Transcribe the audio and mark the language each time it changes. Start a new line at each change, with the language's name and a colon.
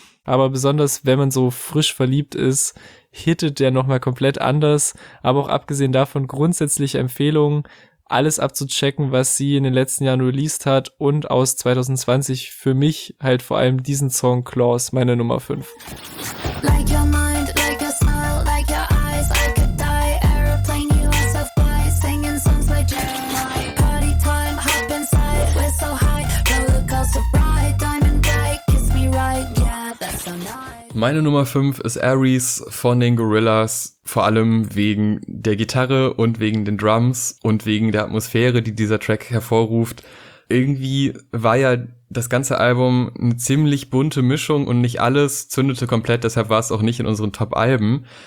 German: aber besonders wenn man so frisch verliebt ist, hittet der nochmal komplett anders, aber auch abgesehen davon grundsätzliche Empfehlung, alles abzuchecken, was sie in den letzten Jahren released hat und aus 2020 für mich halt vor allem diesen Song Claws, meine Nummer 5.
English: Like your mind, like your smile, like your eyes, I could die, aeroplane you are so fly, singing songs like Jeremiah, party time, hop inside, we're so high, rollercoaster ride, diamond bright, kiss me right, yeah, that's so nice.
German: Meine Nummer 5 ist Aries von den Gorillaz, vor allem wegen der Gitarre und wegen den Drums und wegen der Atmosphäre, die dieser Track hervorruft. Irgendwie war ja das ganze Album eine ziemlich bunte Mischung und nicht alles zündete komplett, deshalb war es auch nicht in unseren Top-Alben.